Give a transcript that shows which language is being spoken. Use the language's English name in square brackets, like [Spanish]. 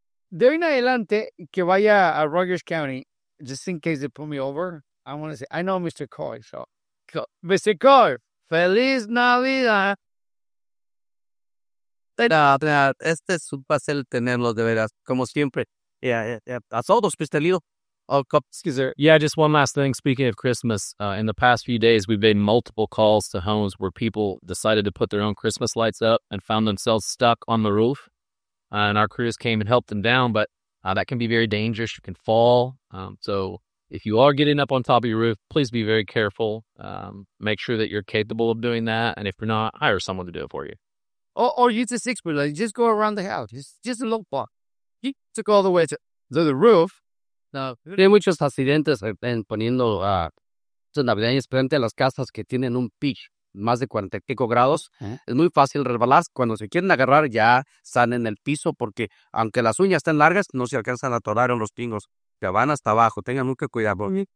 [Spanish] De hoy en adelante, que vaya a Rogers County, [English] just in case they pull me over, I want to say, I know Mr. Coy, so. Mr. Coy. [Spanish] ¡Feliz Navidad! No, este es un placer tenerlos, de veras, como siempre. Yeah. A todos, Mr. Lido. [English] Excuse me. Yeah, just one last thing. Speaking of Christmas, in the past few days, we've made multiple calls to homes where people decided to put their own Christmas lights up and found themselves stuck on the roof. And our crews came and helped them down, but that can be very dangerous. You can fall. If you are getting up on top of your roof, please be very careful. Make sure that you're capable of doing that. And if you're not, hire someone to do it for you. Or use a six-wheeler. Just go around the house. Just a little walk. He took all the way to the roof. [Spanish] Hay muchos accidentes poniendo navideñas frente a las casas que tienen un pitch más de 45 grados. Es muy fácil resbalar. Cuando se quieren agarrar, ya están en el piso porque aunque las uñas estén largas, no se alcanzan a atorar en los tingos. Que van hasta abajo, tengan mucho cuidado.